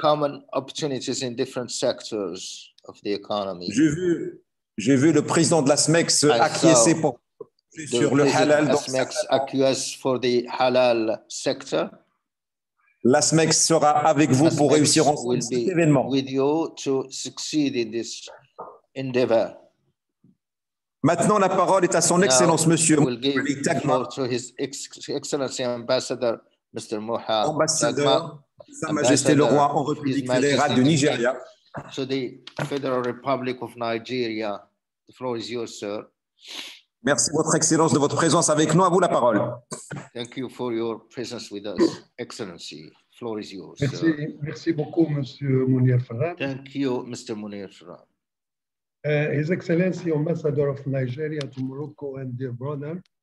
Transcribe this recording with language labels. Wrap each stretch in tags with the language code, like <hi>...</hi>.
<en>Common opportunities in different sectors of the economy.</en> <fr>J'ai vu le président de la SMEC acquiescer pour sur le halal.</fr> <en>SMEC acquiesce for the halal sector.</en> <fr>La SMEC sera avec vous pour réussir en cet événement.</fr> <en>With you to succeed in this endeavor.</en> <fr>Maintenant, la parole est à son Excellence, Monsieur</fr> <en>Mohamed Tagma. To His Excellency Ambassador, Mr. Mohamed Tagma.</en> <fr>Ambassador, Sa Majesté le Roi en République fédérale du Nigeria.</fr> <en>To the Federal Republic of Nigeria. The floor is yours, sir.</en> <fr>Merci, Votre Excellence, de votre présence avec nous. À vous la parole.</fr> <en>Thank you for your presence with us, Excellency. Floor is yours.</en> <fr>Merci, merci beaucoup, Monsieur Mounir Farah.</fr> <en>Thank you, Mr. Mounir Farah. His Excellency, Ambassador of Nigeria to Morocco and dear brother.</en>